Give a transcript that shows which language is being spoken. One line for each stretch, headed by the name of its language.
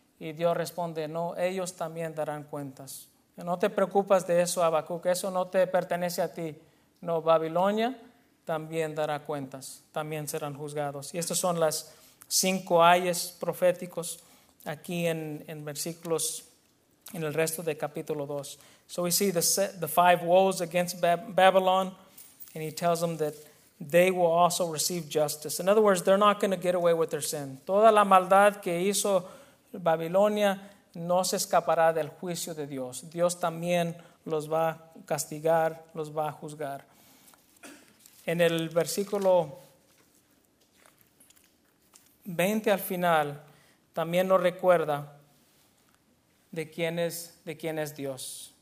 Spanish: Y Dios responde, no, ellos también darán cuentas. No te preocupes de eso, Habacuc, eso no te pertenece a ti. No, Babilonia también dará cuentas, también serán juzgados. Y estas son las cinco ayes proféticos aquí en versículos, en el resto de capítulo 2.
English: So we see the five woes against Babylon, and he tells them that they will also receive justice. In other words, they're not going to get away with their sin.
Spanish: Toda la maldad que hizo Babilonia no se escapará del juicio de Dios. Dios también los va a castigar, los va a juzgar. En el versículo 20 al final, también nos recuerda de quién es Dios.